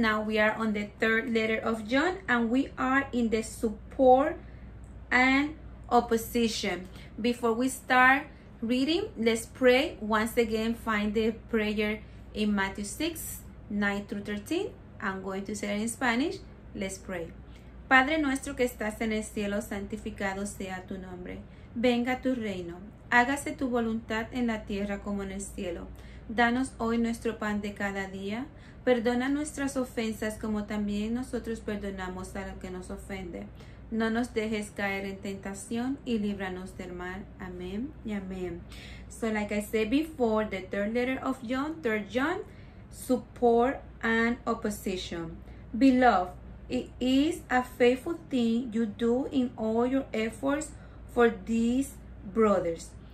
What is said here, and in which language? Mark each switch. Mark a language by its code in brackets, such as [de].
[en] Now we are on the third letter of John, and we are in the support and opposition. Before we start reading, let's pray. Once again, find the prayer in Matthew 6, 9 through 13. I'm going to say it in Spanish. Let's pray. [es] Padre nuestro que estás en el cielo, santificado sea tu nombre. Venga tu reino. Hágase tu voluntad en la tierra como en el cielo. Danos hoy nuestro pan de cada día. Perdona nuestras ofensas como también nosotros perdonamos a los que nos ofenden. No nos dejes caer en tentación y líbranos del mal. Amen y amen. [en] So like I said before, the third letter of John, third John, support and opposition. Beloved, it is a faithful thing you do in all your efforts for these brothers.